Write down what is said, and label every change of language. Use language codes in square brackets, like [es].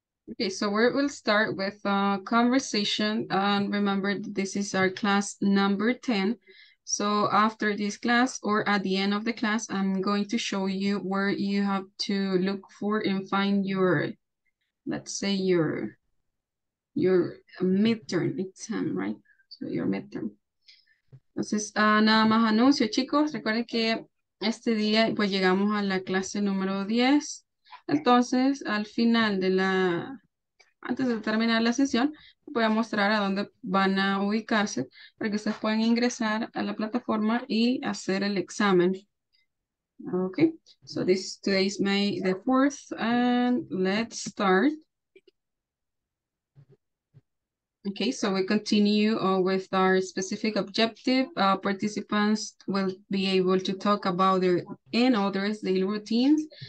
[en] Okay, so we will start with a conversation. And remember, this is our class number 10. So after this class or at the end of the class, I'm going to show you where you have to look for and find your, let's say, your midterm exam, right? So your midterm. [es] Entonces, nada más anuncio, chicos. Recuerden que este día, pues llegamos a la clase número 10. Entonces, al final de la... Antes de terminar la sesión, voy a mostrar a dónde van a ubicarse para que ustedes puedan ingresar a la plataforma y hacer el examen. [en] Okay, so this today is May the 4th, and let's start. Okay, so we continue with our specific objective. Participants will be able to talk about their and others' daily routines.